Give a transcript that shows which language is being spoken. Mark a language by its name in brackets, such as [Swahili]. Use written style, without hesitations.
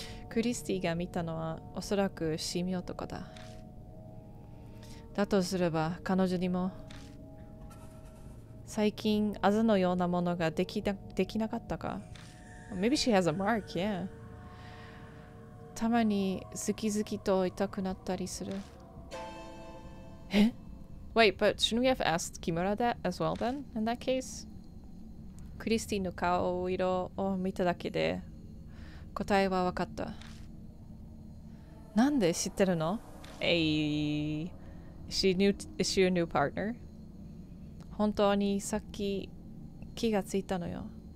[Japanese] クリスティが見たのはおそらく神妙とかだ。だとすれば彼女にも最近あざのようなものができなかったか。 [English] Maybe she has a mark, yeah. [Japanese] たまにズキズキと痛くなったりする。 [English] Wait, but shouldn't we have asked Kimura that as well then, in that case? [Japanese] クリスティの顔色を見ただけで答えはわかった。なんで知ってるの？ [English] Hey, is she a new partner? [Japanese] 本当にさっき気がついたのよ。